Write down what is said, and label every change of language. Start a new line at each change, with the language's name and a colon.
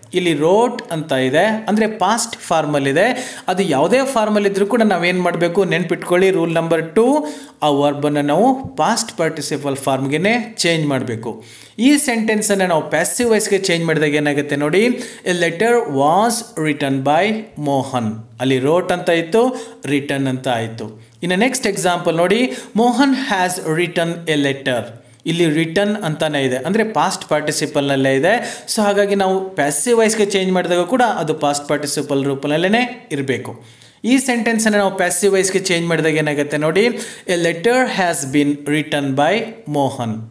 Kannada: ಇಲ್ಲಿ ರೋಟ್ ಅಂತ ಇದೆ, ಅಂದರೆ ಪಾಸ್ಟ್ ಫಾರ್ಮಲ್ ಇದೆ. ಅದು ಯಾವುದೇ ಫಾರ್ಮಲ್ ಇದ್ದರೂ ಕೂಡ ನಾವೇನು ಮಾಡಬೇಕು, ನೆನ್ಪಿಟ್ಕೊಳ್ಳಿ ರೂಲ್ ನಂಬರ್ 2, ಆ ವರ್ಬನ್ನು ನಾವು ಪಾಸ್ಟ್ ಪಾರ್ಟಿಸಿಪಲ್ ಫಾರ್ಮ್ಗೆ ಚೇಂಜ್ ಮಾಡಬೇಕು. ಈ ಸೆಂಟೆನ್ಸನ್ನು ನಾವು ಪ್ಯಾಸಿವ್ ವಾಯ್ಸ್ಗೆ ಚೇಂಜ್ ಮಾಡಿದಾಗ ಏನಾಗುತ್ತೆ ನೋಡಿ,
English: A letter was written by Mohan.
Kannada: ಅಲ್ಲಿ ರೋಟ್ ಅಂತ ಇತ್ತು, ರಿಟನ್ ಅಂತ ಆಯಿತು.
English: In the next example, nodi, Mohan has written a letter.
Kannada: ಇಲ್ಲಿ ರಿಟರ್ನ್ ಅಂತಾನೆ ಇದೆ, ಅಂದರೆ ಪಾಸ್ಟ್ ಪಾರ್ಟಿಸಿಪಲ್ನಲ್ಲೇ ಇದೆ. ಸೊ ಹಾಗಾಗಿ ನಾವು ಪ್ಯಾಸಿವ್ ವಾಯ್ಸ್ಗೆ ಚೇಂಜ್ ಮಾಡಿದಾಗ ಕೂಡ ಅದು ಪಾಸ್ಟ್ ಪಾರ್ಟಿಸಿಪಲ್ ರೂಪದಲ್ಲೇ ಇರಬೇಕು. ಈ ಸೆಂಟೆನ್ಸನ್ನು ನಾವು ಪ್ಯಾಸಿವ್ ವಾಯ್ಸ್ಗೆ ಚೇಂಜ್ ಮಾಡಿದಾಗ ಏನಾಗುತ್ತೆ ನೋಡಿ,
English: A letter has been return by Mohan.